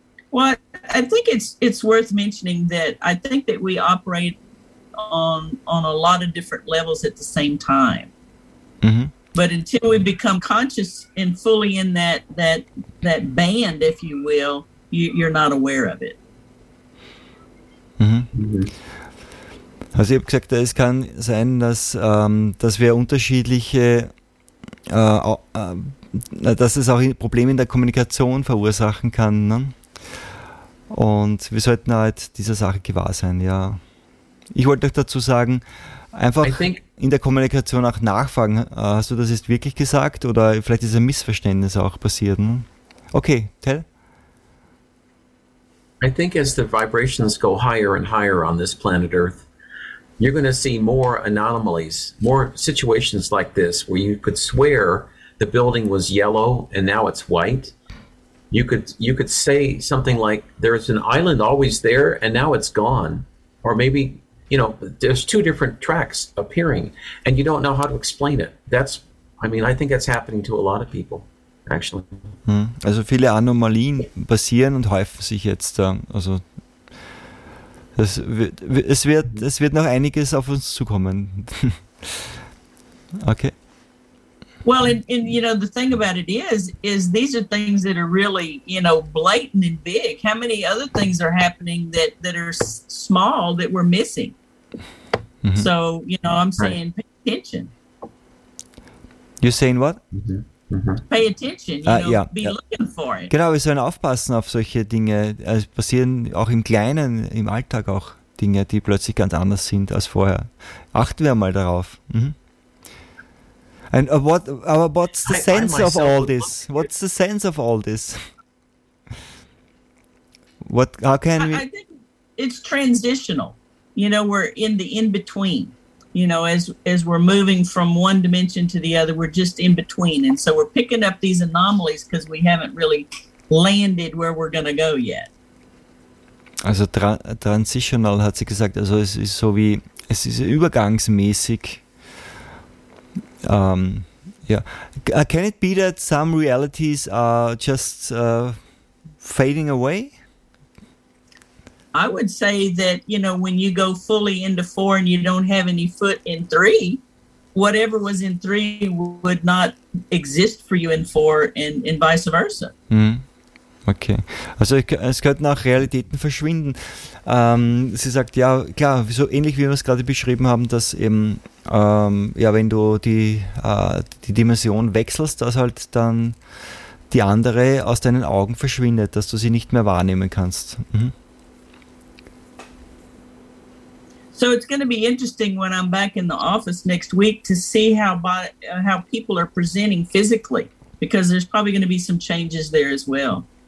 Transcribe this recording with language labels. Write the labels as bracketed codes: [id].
[en] Well, I think it's worth mentioning that I think that we operate on a lot of different levels at the same time. Mm-hmm. But until we become conscious and fully in that band, if you will, you're not aware of it. Mhm. [de] Also ich habe gesagt, es kann sein, dass wir unterschiedliche dass es auch Probleme in der Kommunikation verursachen kann, ne? Und wir sollten halt dieser Sache gewahr sein, ja. Ich wollte euch dazu sagen, einfach in der Kommunikation auch nachfragen, hast du das jetzt wirklich gesagt oder vielleicht ist ein Missverständnis auch passiert, ne? [en] Okay, Tell. I think as the vibrations go higher and higher on this planet Earth, you're going to see more anomalies, more situations like this, where you could swear the building was yellow and now it's white. You could say something like, there's an island always there and now it's gone. Or maybe, you know, there's two different tracks appearing and you don't know how to explain it. I think that's happening to a lot of people. [de] Also viele Anomalien passieren und häufen sich jetzt. Also es wird noch einiges auf uns zukommen. [en] Okay. Well, and you know, the thing about it is these are things that are really, you know, blatant and big. How many other things are happening that are small that we're missing? Mm-hmm. So, you know, I'm saying right. Pay attention. You're saying what? Mm-hmm. Pay attention, you know, be looking for it. [de] Genau, wir sollen aufpassen auf solche Dinge. Es passieren auch im Kleinen, im Alltag auch Dinge, die plötzlich ganz anders sind als vorher. Achten wir mal darauf. [en] And what's the sense of all this? What's the sense of all this? I think it's transitional. You know, we're in the in-between. You know, as we're moving from one dimension to the other, we're just in between. And so we're picking up these anomalies because we haven't really landed where we're going to go yet. [de] Also transitional, hat sie gesagt. Also es ist so wie, es ist übergangsmäßig. [en] Can it be that some realities are just fading away? I would say that, you know, when you go fully into four and you don't have any foot in three, whatever was in three would not exist for you in four and vice versa. [de] Okay. Also es könnten auch Realitäten verschwinden. Sie sagt, ja, klar, so ähnlich wie wir es gerade beschrieben haben, dass eben, wenn du die Dimension wechselst, dass halt dann die andere aus deinen Augen verschwindet, dass du sie nicht mehr wahrnehmen kannst. [en] So it's going to be interesting when I'm back in the office next week to see how people are presenting physically, because there's probably going to be some changes there as well.